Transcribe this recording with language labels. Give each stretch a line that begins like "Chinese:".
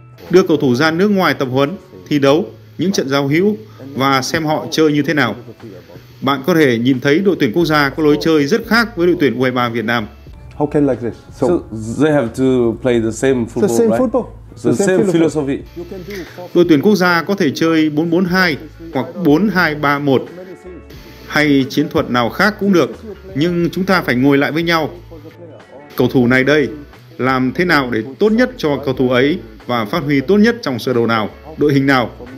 Vietnamese: Đưa cầu thủ ra nước ngoài tập huấn, thi đấu, những trận giao hữu và xem họ chơi như thế nào. Bạn có thể nhìn thấy đội tuyển quốc gia có lối chơi rất khác với đội tuyển U23 Việt Nam.
English: How can like this? So they have to play the same football, right? The same football. The same philosophy.
Vietnamese: Đội tuyển quốc gia có thể chơi 4-4-2 hoặc 4-2-3-1 hay chiến thuật nào khác cũng được, nhưng chúng ta phải ngồi lại với nhau. Cầu thủ này đây, làm thế nào để tốt nhất cho cầu thủ ấy và phát huy tốt nhất trong sơ đồ nào, đội hình nào?